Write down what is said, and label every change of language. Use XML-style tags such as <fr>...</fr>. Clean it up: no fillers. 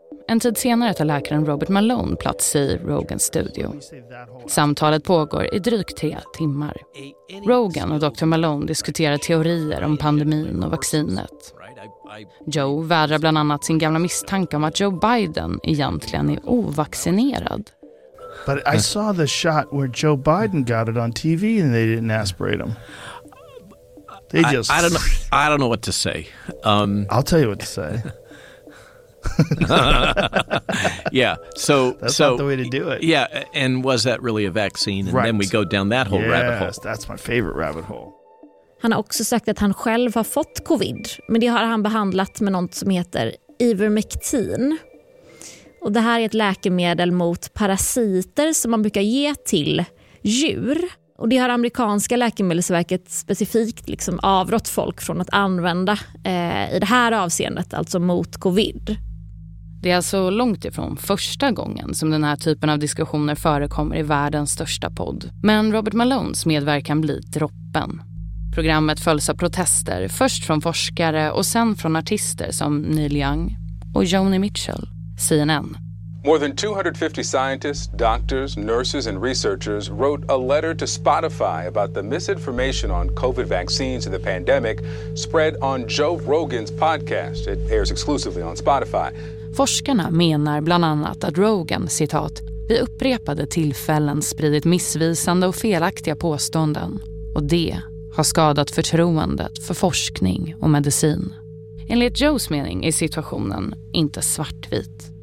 <sv>En tid senare tar läkaren Robert Malone plats i Rogans studio. Samtalet pågår i drygt 3 timmar. Rogan och Dr. Malone diskuterar teorier om pandemin och vaccinet. Joe vädrar bland annat sin gamla misstanke om att Joe Biden egentligen är ovaccinerad.</sv> <en>But I saw the shot where Joe Biden got it on TV and they didn't aspirate him. They just I don't know what to say. I'll tell you what to say. Yeah, so that's so, not the way to do it. Yeah, and was that really a vaccine? And right. Then we go down that whole yes, rabbit hole. Yes, that's my favorite rabbit hole.</en> <sv>Han har också sagt att han själv har fått covid, men det har han behandlat med något som heter ivermectin. Och det här är ett läkemedel mot parasiter som man brukar ge till djur. Och det har amerikanska läkemedelsverket specifikt liksom avrått folk från att använda i det här avseendet, alltså mot covid. Det är alltså långt ifrån första gången som den här typen av diskussioner förekommer i världens största podd. Men Robert Malones medverkan blir droppen. Programmet följs av protester, först från forskare och sen från artister som Neil Young och Joni Mitchell, CNN.</sv> <en>More than 250 scientists, doctors, nurses and researchers wrote a letter to Spotify about the misinformation on COVID vaccines and the pandemic spread on Joe Rogan's podcast. It airs exclusively on Spotify.</en> <sv>Forskarna menar bland annat att Rogan, citat, vid upprepade tillfällen spridit missvisande och felaktiga påståenden, och det har skadat förtroendet för forskning och medicin. Enligt Joes mening är situationen inte svartvit.</sv>